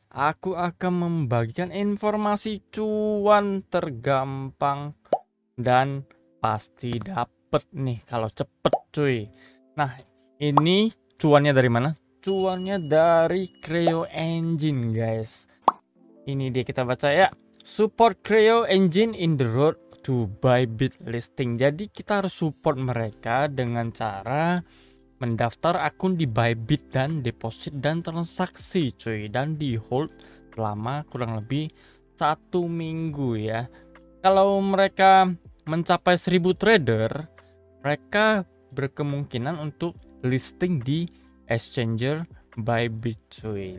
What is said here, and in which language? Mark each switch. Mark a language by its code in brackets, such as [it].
[id] Aku akan membagikan informasi cuan tergampang dan pasti dapet nih kalau cepet cuy. Nah, ini cuannya dari mana? Cuannya dari Creo Engine guys. Ini dia, kita baca ya. [en] Support Creo Engine in the road to Bybit listing. [id] Jadi kita harus support mereka dengan cara mendaftar akun di Bybit dan deposit dan transaksi cuy, dan di hold selama kurang lebih 1 minggu ya. Kalau mereka mencapai 1000 trader, mereka berkemungkinan untuk listing di exchanger Bybit cuy.